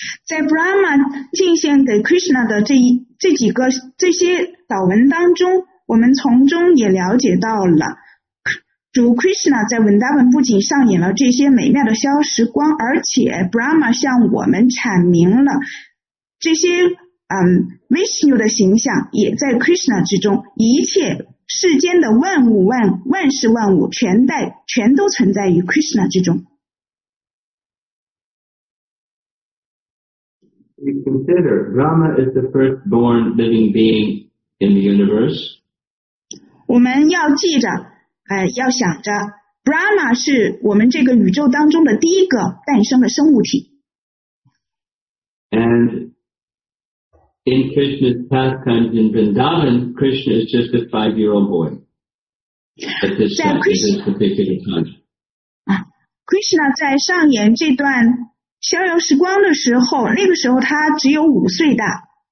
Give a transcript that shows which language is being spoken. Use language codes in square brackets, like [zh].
[en] In Brahma, [zh] 敬献给Krishna的这几个这些祷文当中, 我们从中也了解到了主 Krishna 在 Vrindavan 不仅上演了这些美妙的消时光, 而且 Brahma 向我们阐明了这些 Vishnu的形象 也在 Krishna之中, 一切 世间的万物万事万物全都存在于Krishna之中。 [en] We consider Brahma is the firstborn living being in the universe. [zh] 我们要记着，要想着 Brahma 是我们这个宇宙当中的第一个诞生的生物体。 [en] And in Krishna's pastimes in Vrindavan, Krishna is just a 5-year-old boy at this time, Krishna, this particular time. [zh] Krishna在上演这段逍遥时光的时候，那个时候他只有五岁大。